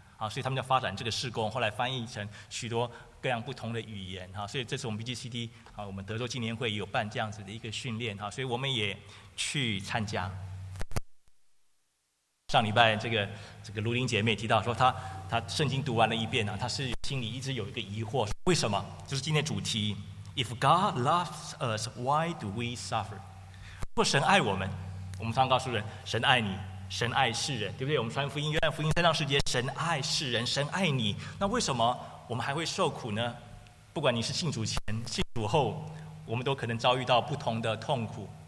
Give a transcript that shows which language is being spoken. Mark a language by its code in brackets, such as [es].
[zh] 所以他们就发展这个事工，后来翻译成许多各样不同的语言。所以这次我们 BGCT 我们德州青年会有办这样子的一个训练，所以我们也去参加。上礼拜这个卢琳姐妹提到说，她圣经读完了一遍，她是心里一直有一个疑惑，为什么？就是今天主题 [en] If God loves us, why do we suffer? [zh] 如果神爱我们，我们常告诉人神爱你，神爱世人，对不对？我们传福音，约翰福音三章十节，神爱世人，神爱你，那为什么我们还会受苦呢？不管你是信主前、信主后，我们都可能遭遇到不同的痛苦。